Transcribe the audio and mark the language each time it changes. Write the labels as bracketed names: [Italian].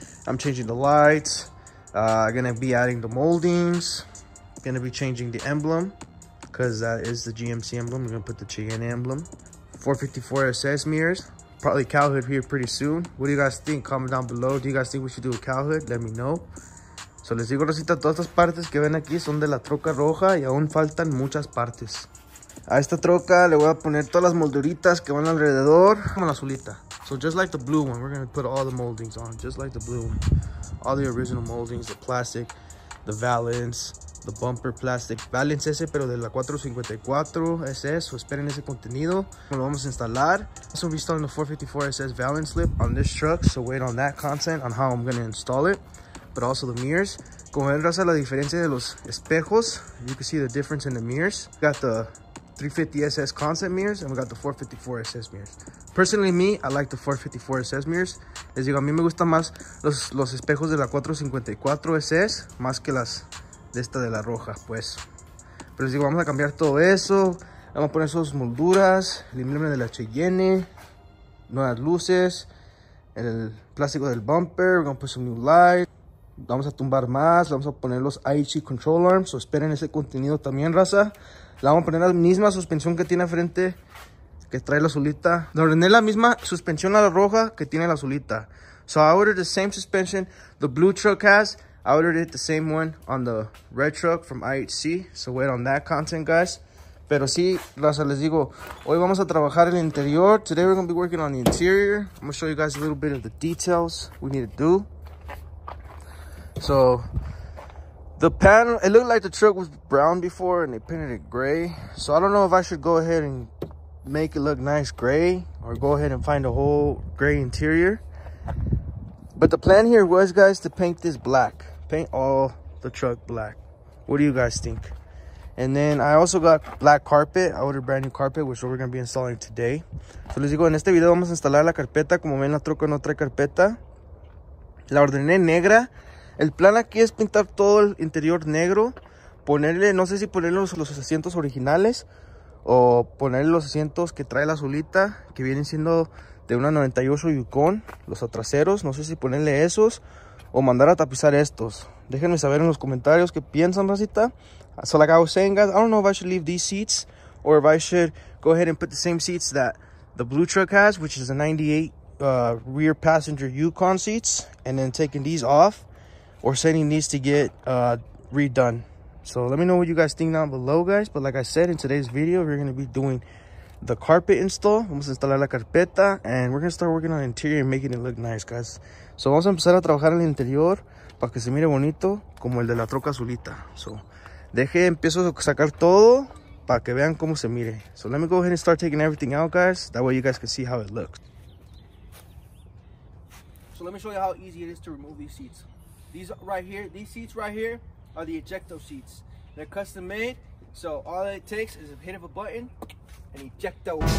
[English] I'm changing the lights. I'm gonna be adding the moldings. Gonna be changing the emblem, because that is the GMC emblem. We're gonna put the Cheyenne emblem. 454 SS mirrors. Probably cow hood here pretty soon. What do you guys think? Comment down below. Do you guys think we should do a cow hood? Let me know. [Spanish] So les digo, Rosita, todas estas partes que ven aquí son de la troca roja y aún faltan muchas partes. A esta troca le voy a poner todas las molduritas que van alrededor. Como la azulita. [English] So just like the blue one, we're going to put all the moldings on. Just like the blue one. All the original moldings, the plastic, the valance, the bumper plastic. [Spanish] Valance ese, pero de la 454 SS. So esperen ese contenido. Lo vamos a instalar. [English] So we're installing the 454 SS valance lip on this truck. So wait on that content on how I'm going to install it. But also the mirrors. [Spanish] Como ven, raza, la diferencia de los espejos. [English] You can see the difference in the mirrors. We got the 350 SS concept mirrors, and we got the 454 SS mirrors. Personally, me, I like the 454 SS mirrors. [Spanish] Les digo, a mí me gusta más los espejos de la 454 SS más que las de esta de la roja, pues. Pero les digo, vamos a cambiar todo eso. Vamos a poner esas molduras, el emblema de la Cheyenne, nuevas luces, el plástico del bumper. [English] We're gonna put some new lights. [Spanish] Vamos a tumbar más, vamos a poner los IHE control arms, o esperen ese contenido también, raza. Le vamos a poner la misma suspensión que tiene frente, que trae la azulita. Le ordené la misma suspensión a la roja que tiene la azulita. [English] So I ordered the same suspension the blue truck has. I ordered it the same one on the red truck from IHC. So wait on that content, guys. [Spanish] Pero sí, raza, les digo, hoy vamos a trabajar el interior. [English] Today we're going to be working on the interior. I'm going to show you guys a little bit of the details we need to do. So the panel, it looked like the truck was brown before and they painted it gray. So I don't know if I should go ahead and make it look nice gray or go ahead and find a whole gray interior. But the plan here was, guys, to paint this black, paint all the truck black. What do you guys think? And then I also got black carpet. I ordered brand new carpet, which we're going to be installing today. [Spanish] So les digo, en este video vamos a instalar la carpeta. Como ven, la troca no trae carpeta. La ordené negra. El plan aquí es pintar todo el interior negro, ponerle, no sé si ponerle los asientos originales o ponerle los asientos que trae la azulita, que vienen siendo de una 98 Yukon, los traseros, no sé si ponerle esos o mandar a tapizar estos. Déjenme saber en los comentarios qué piensan, racita. [English] So like I was saying, guys, I don't know if I should leave these seats or if I should go ahead and put the same seats that the blue truck has, which is a 98 rear passenger Yukon seats, and then taking these off. Or sending these to get redone. So let me know what you guys think down below, guys. But like I said, in today's video, we're going to be doing the carpet install. [Spanish] Vamos a instalar la carpeta. [English] And we're going to start working on the interior and making it look nice, guys. [Spanish] So vamos a empezar a trabajar en el interior para que se mire bonito como el de la troca azulita. So empiezo a sacar todo. para que vean cómo se mire. [English] So let me go ahead and start taking everything out, guys. That way you guys can see how it looks. So let me show you how easy it is to remove these seats. These right here, these seats right here are the ejecto seats. They're custom made. So all it takes is a hit of a button and ejecto.